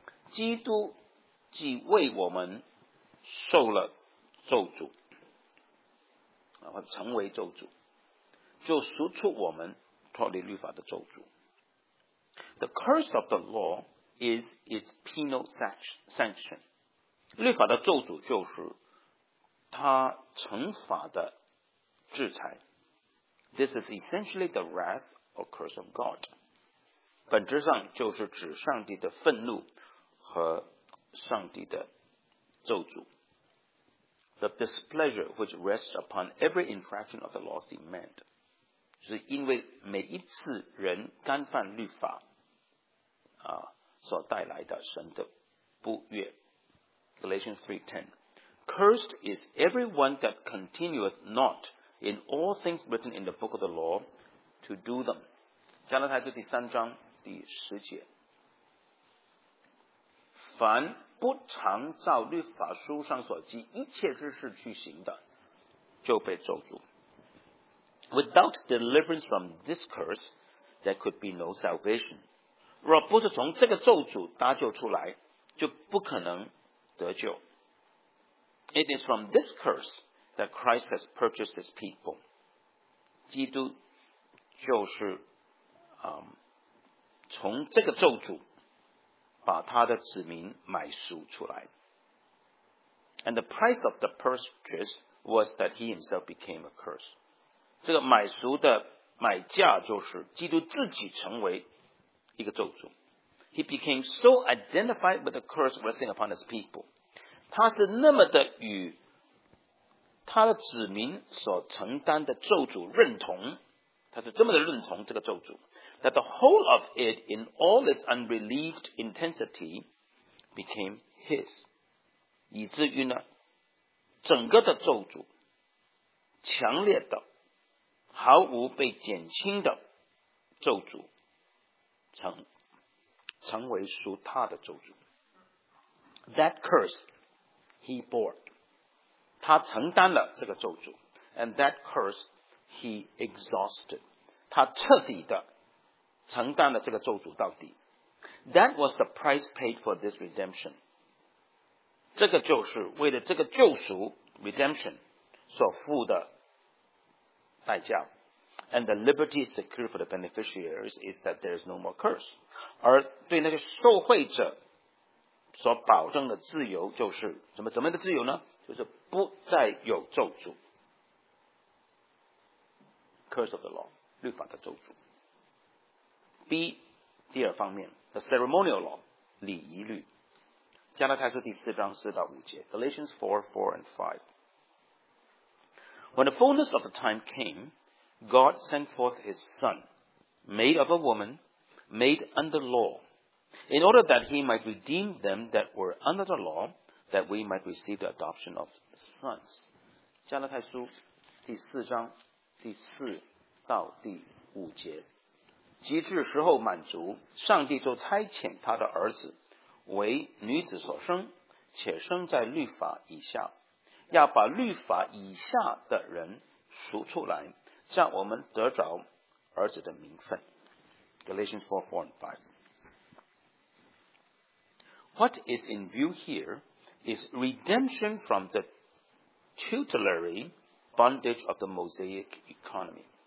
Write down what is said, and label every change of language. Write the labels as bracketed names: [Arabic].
[Chinese] 基督既为我们受了咒诅，或成为咒诅，就赎出我们脱离律法的咒诅。 [English] The curse of the law is its penal sanction. [Chinese] 律法的咒诅就是他惩罚的制裁。 [English] This is essentially the wrath or curse of God. [Chinese] 本质上就是指上帝的愤怒和上帝的咒诅。 [English] The displeasure which rests upon every infraction of the law's demand. [Chinese] 是因为每一次人干犯律法啊所带来的神的不悦。 [English] Galatians 3:10 Cursed is everyone that continueth not in all things written in the book of the law to do them. [Chinese] 加拉太书3:10凡不常照律法书上所记一切之事去行的就被咒诅。 [English] Without deliverance from this curse, there could be no salvation. [Chinese] 若不是从这个咒诅搭救出来，就不可能 [English] It is from this curse that Christ has purchased his people. [Chinese] 基督就是从这个咒诅把他的子民买赎出来。 [English] And the price of the purchase was that he himself became a curse. [Chinese] 这个买赎的买价就是基督自己成为一个咒诅。 [English] He became so identified with the curse resting upon his people. [Chinese] 他是那么的与他的子民所承担的咒诅认同，他是这么的认同这个咒诅 ， [English] that the whole of it in all its unrelieved intensity became his， [Chinese] 以至于呢，整个的咒诅强烈的、毫无被减轻的咒诅，成为属他的咒诅。 [English] That curse. He bore. [Chinese] 他承担了这个咒诅。 [English] And that curse he exhausted. [Chinese] 他彻底的承担了这个咒诅到底。 [English] That was the price paid for this redemption. [Chinese] 这个就是为了这个救赎 redemption 所付的代价。 [English] and the liberty secured for the beneficiaries is that there is no more curse. [Chinese] 而对那些受惠者所保证的自由就是什么？怎么样的自由呢？就是不再有咒诅 ， [English] curse of the law， [Chinese] 律法的咒诅。 B， 第二方面 ， [English] the ceremonial law， [Chinese] 礼仪律。加拉太书第四章四到五节 ，Galatians 4:4-5。 [English] When the fullness of the time came, God sent forth His Son, made of a woman, made under law, in order that He might redeem them that were under the law, that we might receive the adoption of sons. [Chinese] 加拉太书第四章第四到第五节，及至时候满足，上帝就差遣他的儿子为女子所生，且生在律法以下。要把律法以下的人赎出来，叫我们得着儿子的名分。 [English] Galatians 4:4-5. What is in view here is redemption from the tutelary bondage of the Mosaic economy.